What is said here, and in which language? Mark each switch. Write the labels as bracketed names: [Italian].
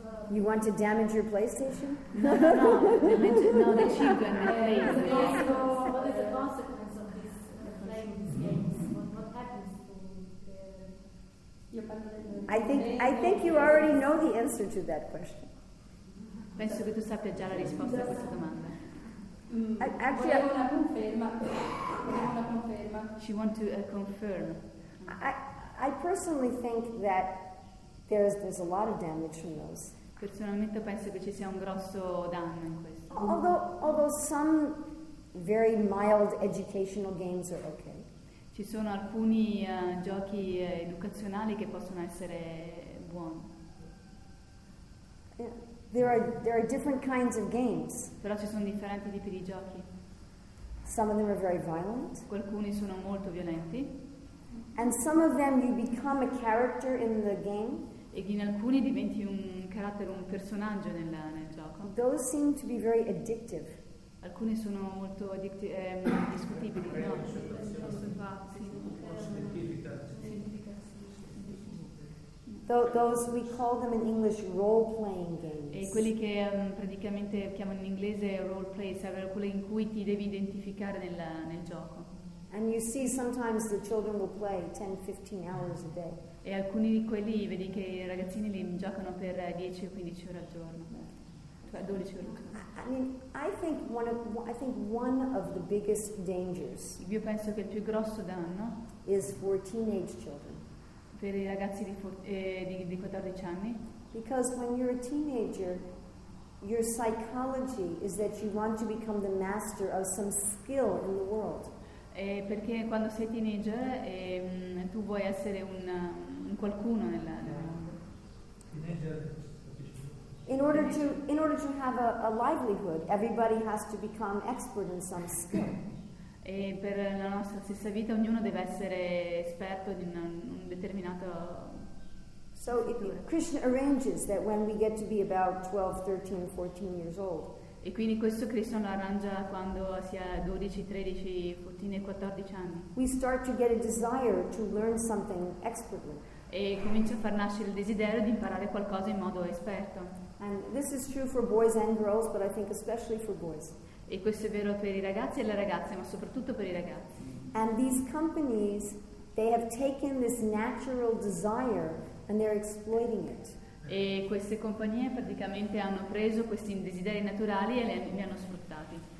[English] You want to damage your PlayStation? No. The children. What is the consequence of this playing these games? I think you already know the answer to that question. [Italian] Penso che tu sappia già la risposta a questa domanda. [English] She wants to confirm. I personally think that there's a lot of damage from those. [Italian] Personalmente penso che ci sia un grosso danno in questo. [English] Although some very mild educational games are okay. [Italian] Ci sono alcuni giochi educazionali che possono essere buoni. [English] There are different kinds of games. [Italian] Però ci sono differenti tipi di giochi. [English] Some of them are very violent. [Italian] Alcuni sono molto violenti. [English] And some of them you become a character in the game. [Italian] E in alcuni diventi un carattere, un personaggio nel gioco. [English] Those seem to be very addictive. [Italian] Alcuni sono molto discutibili, no? [English] Those we call them in English role-playing games. [Italian] E quelli che praticamente chiamano in inglese role play, sarebbero quelli in cui ti devi identificare nel gioco. [English] And you see sometimes the children will play 10-15 hours a day. [Italian] E alcuni di quelli vedi che i ragazzini li giocano per 10-15 ore al giorno. [English] I think one of the biggest dangers. [Italian] Io penso che il più grosso danno [English] is for teenage children. [Italian] Per i ragazzi di 14 anni. [English] Because when you're a teenager, your psychology is that you want to become the master of some skill in the world. [Italian] Perché quando sei teenager tu vuoi essere un qualcuno nella [English] In order to have a livelihood, everybody has to become expert in some skill. [Italian] E per la nostra stessa vita ognuno deve essere esperto di un determinato. [English] So Krishna arranges that when we get to be about 12, 13, 14 years old. [Italian] E quindi questo Krishna lo arrangia quando si ha 12, 13, 14 e 14 anni. [English] We start to get a desire to learn something expertly. [Italian] E comincia a far nascere il desiderio di imparare qualcosa in modo esperto. [English] And this is true for boys and girls, but I think especially for boys. [Italian] E questo è vero per i ragazzi e le ragazze, ma soprattutto per i ragazzi. [English] And these companies, they have taken this natural desire and they're exploiting it. [Italian] E queste compagnie praticamente hanno preso questi desideri naturali e li hanno sfruttati.